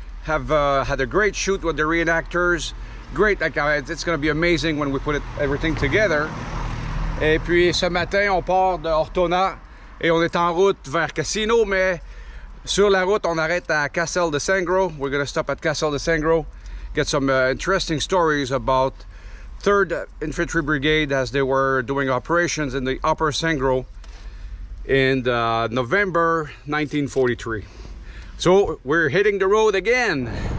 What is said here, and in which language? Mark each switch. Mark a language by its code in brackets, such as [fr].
[en] Have had a great shoot with the reenactors. Great, like it's gonna be amazing when we put everything together. [fr] Et puis ce matin, on part de Ortona et on est en route vers Casino, mais sur la route, on arrête à Castel Di Sangro. [en] We're gonna stop at Castel Di Sangro, get some interesting stories about 3rd Infantry Brigade as they were doing operations in the Upper Sangro in November 1943. So we're hitting the road again.